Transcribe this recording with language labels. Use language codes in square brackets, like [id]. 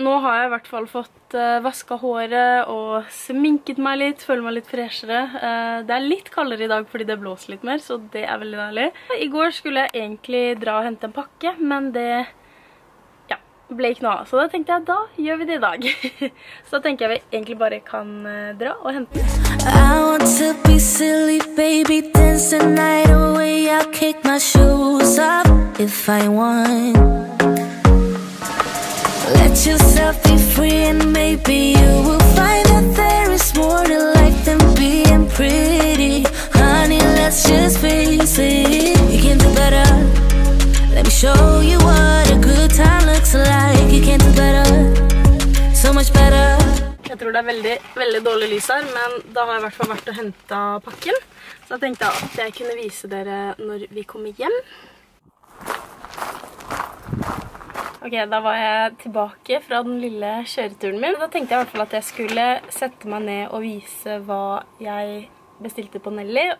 [no] Nå har jeg i hvert fall fått vasket håret og sminket meg litt, føler meg litt freshere. Det er litt kaldere i dag fordi det blåser litt mer, så det er veldig deilig. I går skulle jeg egentlig dra og hente en pakke, men det ble ikke noe av, så da tenkte jeg, da gjør vi det i dag. Så da tenker jeg vi egentlig bare kan dra og hente. [en] I want to be silly, baby, dance the night away. I'll kick my shoes up if I want. Let yourself be free and maybe you will find that there is more to life than being pretty. Honey, let's just face it. You can do better. Let me show you what a good time looks like. You can do better, so much better. [no] Jeg tror det er veldig, veldig dårlig lys her, men da har jeg i hvert fall vært og hentet pakken. Så jeg tenkte at jeg kunne vise dere når vi kommer hjem. Ok, da var jeg tilbake fra den lille kjøreturen min. Da tenkte jeg i hvert fall at jeg skulle sette meg ned og vise hva jeg bestilte på Nelly.